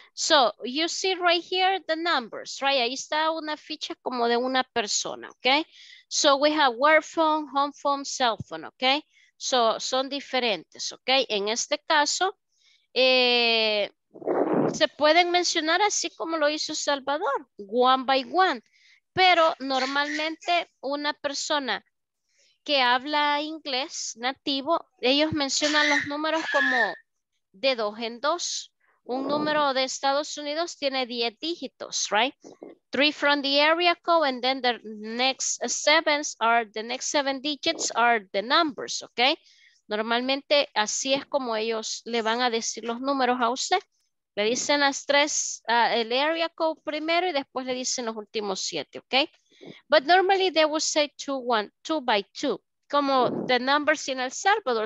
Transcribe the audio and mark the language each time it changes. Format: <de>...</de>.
<en>So you see right here the numbers, right?</en> <es>Ahí está una ficha como de una persona,</es> <en>okay? So we have work phone, home phone, cell phone, okay?</en> <es>So son diferentes, okay? En este caso, se pueden mencionar así como lo hizo Salvador,</es> <en>one by one,</en> <es>pero normalmente una persona que habla inglés nativo, ellos mencionan los números como de dos en dos. Un número de Estados Unidos tiene 10 dígitos, right?</es> <en>3 from the area code and then the next sevens are, the next 7 digits are the numbers, ok?</en> <es>Normalmente así es como ellos le van a decir los números a usted. Le dicen las tres, el area code primero y después le dicen los últimos 7, ¿ok?</es> <en>But normally they would say 2 by 2, como the numbers in El Salvador.</en>